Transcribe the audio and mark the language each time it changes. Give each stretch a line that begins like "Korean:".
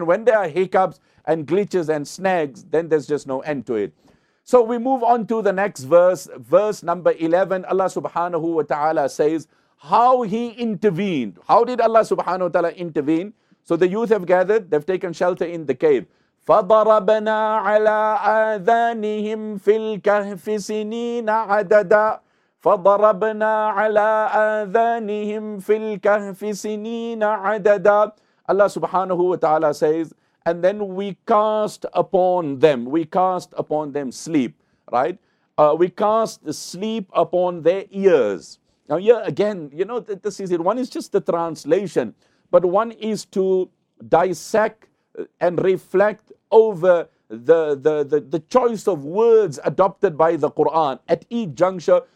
English: And when there are hiccups and glitches and snags, then there's just no end to it. So we move on to the next verse, verse number 11. Allah subhanahu wa ta'ala says how he intervened. How did Allah subhanahu wa ta'ala intervene? So the youth have gathered, they've taken shelter in the cave.
Arabic: فَضَرَبْنَا عَلَىٰ آذَانِهِمْ فِي الْكَهْفِ سِنِينَ عَدَدًا فَضَرَبْنَا عَلَىٰ آذَانِهِمْ فِي الْكَهْفِ سِنِينَ عَدَدًا
English: Allah subhanahu wa ta'ala says, and then we cast upon them sleep, right? We cast sleep upon their ears. Now here again, you know, this is it. One is just the translation. But one is to dissect and reflect over the choice of words adopted by the Quran at each juncture.